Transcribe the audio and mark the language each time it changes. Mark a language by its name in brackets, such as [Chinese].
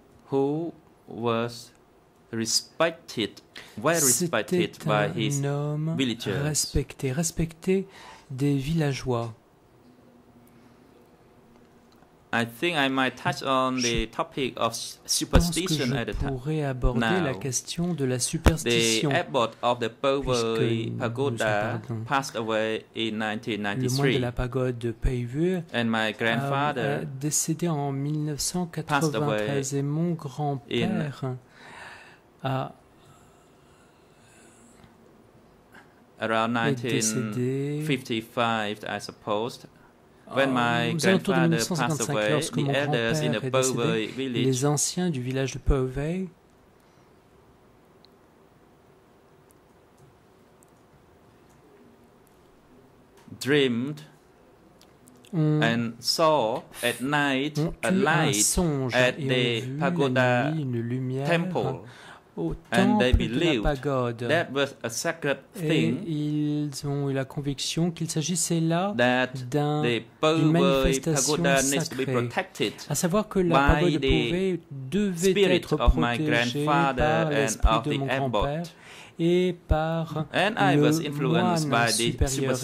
[English] Who was respected, well respected by his villagers. [French] Respecté des villageois. [English] I think I might touch on the topic of superstition at the time. [French] Je pourrais aborder la question de la superstition. [English] The abbot of the Pauvre Pagoda passed away in 1993. [French] Le moine de la pagode de Pauvre [English] and my grandfather [French] a décédé en 1993 et mon grand-père [English] around 1955, I suppose, when my grandfather passed away, the elders in the Pauvre village, [French] les anciens du village de Pauvre, [English] dreamed and saw at night a light at the pagoda temple. And they believed that was a sacred thing. [French] Et ils ont eu la conviction qu'il s'agissait là d'une manifestation sacrée, à savoir que la pagode de Pauvre devait être protégée par l'esprit de mon grand-père et par le moine supérieur.